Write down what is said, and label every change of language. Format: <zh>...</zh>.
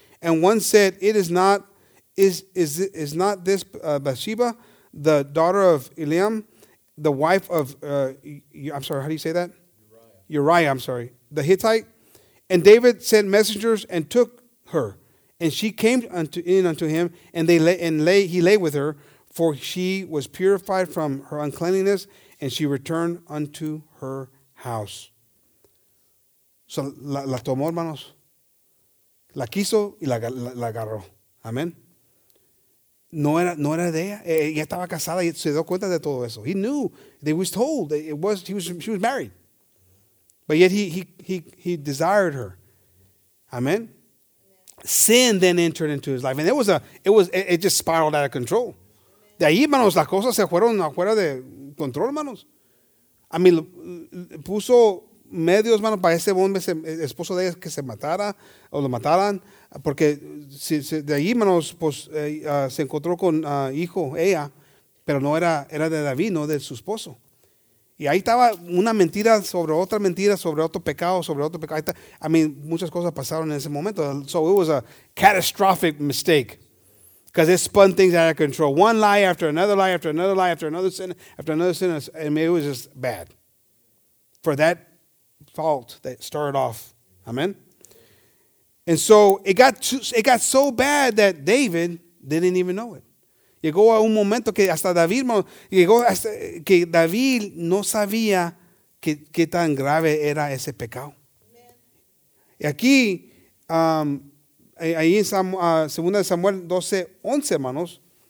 <en>And one said, Is not this Bathsheba, the daughter of Eliam, the wife of, Uriah, I'm sorry, the Hittite? And David sent messengers and took her, and she came unto him, and he lay with her, for she was purified from her uncleanness, and she returned unto her house.</en> <es>So la tomó, hermanos, la quiso y la agarró. Amen. No era de ella. Ella estaba casada y se dio cuenta de todo eso.</es> <en>He knew. They was told. She was married. But yet he desired her. Amen. Sin then entered into his life. And it just spiraled out of control.</en> <es>De ahí, hermanos, las cosas se fueron afuera de control, hermanos.</es> <en>I mean,</en> <es>puso medios, hermanos, para ese hombre, ese esposo de ella, que se matara o lo mataran. Porque de ahí, hermanos, pues se encontró con hijo, ella, pero no era de David, no de su esposo. Y ahí estaba una mentira, sobre otro pecado.</es> <en>I mean,</en> <es>muchas cosas pasaron en ese momento.</es> <en>So it was a catastrophic mistake, because it spun things out of control. One lie after another lie after another lie after another sin, and it was just bad. For that fault that started off. Amen. And so it got so bad that David didn't even know it.</en> <es>Llegó a un momento que hasta David llegó hasta que David no sabía qué tan grave era ese pecado. Y aquí ahí en segunda de Samuel 12:11, hermanos.</es>